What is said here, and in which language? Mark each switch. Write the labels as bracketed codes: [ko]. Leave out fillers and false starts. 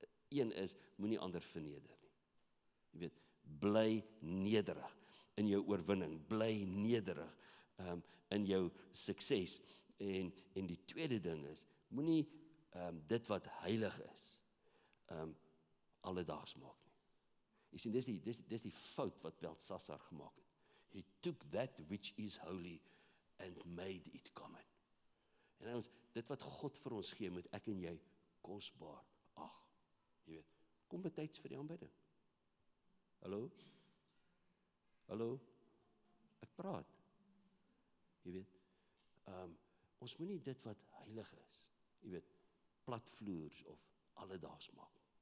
[af] Een is, moenie ander verneder nie. Jy weet, bly nederig in jou oorwinning, bly nederig in jou sukses. En die tweede ding is, moenie dit wat heilig is alledaags maak nie. Jy sien, dis die fout wat Belsasar gemaak het. [en] He took that which is holy and made it common. [af] En ons, dit wat God vir ons gee, moet ek en jy kosbaar ag. Jy weet, kom betyds vir die aanbidding. Hallo? Hallo? Ek praat. Jy weet, ons moet nie dit wat heilig is, jy weet, platvloers of alledaags maak.